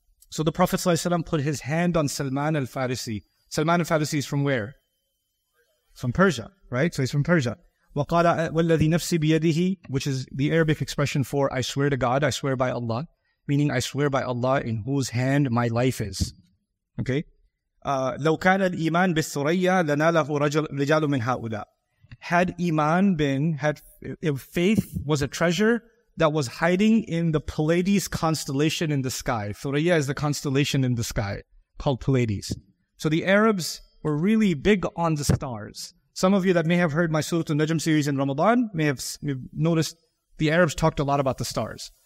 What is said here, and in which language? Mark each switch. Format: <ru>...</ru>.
<en>So the Prophet ﷺ put his hand on Salman al-Farisi. Salman al-Farisi is from where? From Persia, right? So he's from Persia.</en> <ar>وَقَالَ وَالَّذِي نَفْسِ بِيَدِهِ,</ar> <en>which is the Arabic expression for, I swear to God, I swear by Allah. meaning I swear by Allah in whose hand my life is. Okay?</en> <ar>لو كان الإيمان بالثريا لناله رجال من هؤلاء.</ar> <en>Had Iman been, had if faith was a treasure that was hiding in the Pleiades constellation in the sky. Thuriya is the constellation in the sky called Pleiades. So the Arabs were really big on the stars. Some of you that may have heard my Surah Al-Najm series in Ramadan may have noticed the Arabs talked a lot about the stars.</en>